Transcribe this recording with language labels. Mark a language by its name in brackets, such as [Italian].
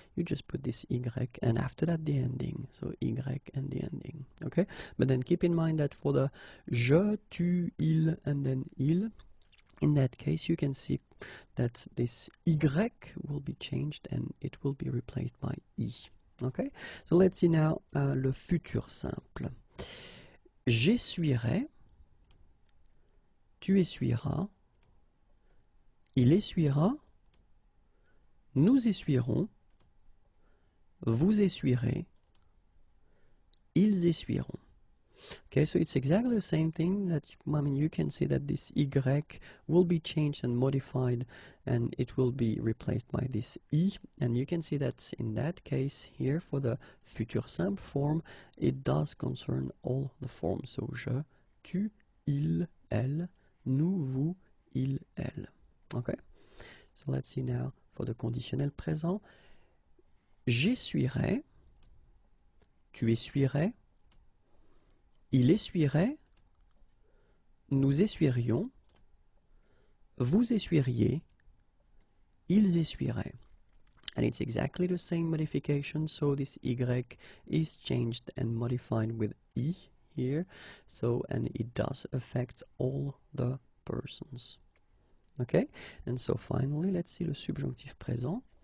[English] You just put this y and after that the ending, so y and the ending, okay? But then keep in mind that for the je, tu, il, and then il, in that case you can see that this y will be changed and it will be replaced by i, okay? So let's see now le futur simple. [French] J'essuierai, tu essuieras, il essuiera, nous essuierons, vous essuierez, ils essuieront. [English] Okay, so it's exactly the same thing that, I mean, you can see that this Y will be changed and modified and it will be replaced by this I. And you can see that in that case here for the futur simple form, it does concern all the forms. [French] So je, tu, il, elle, nous, vous, il, elle. [English] Okay, so let's see now for the conditionnel présent. [French] J'essuierai, tu essuierais, il essuierait, nous essuierions, vous essuieriez, ils essuieraient. [English] And it's exactly the same modification, so this Y is changed and modified with E here, so and it does affect all the persons. Okay, and so finally, let's see le subjonctif présent.